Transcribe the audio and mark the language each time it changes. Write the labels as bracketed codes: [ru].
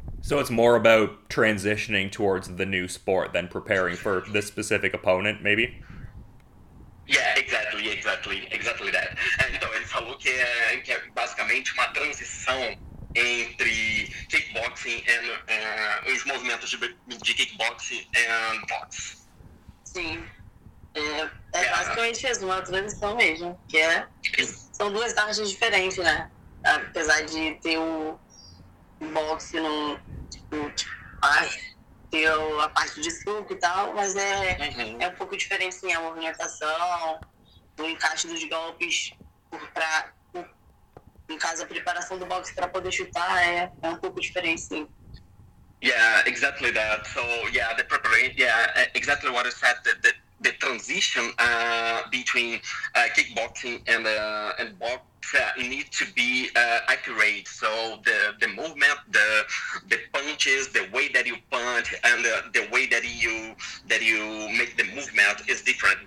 [en] So it's more about transitioning towards the new sport than preparing for this specific opponent, maybe? Yeah, exactly that. [pt] Então, ele falou que é basicamente uma transição entre kickboxing e os movimentos de kickboxing e box. Sim. É basicamente isso, uma transição mesmo, que é, são duas artes diferentes, né? Apesar de ter o boxe no, ter a parte de suco e tal, mas é um pouco diferente, sim, a movimentação, o encaixe dos golpes, pra, no caso, a preparação do boxe para poder chutar é um pouco diferente, sim. [en] Yeah, exactly that. So, yeah, the preparation, yeah, exactly what you said, the transition between kickboxing and box need to be accurate. So the movement, the punches, the way that you punch, and the way that you make the movement is different.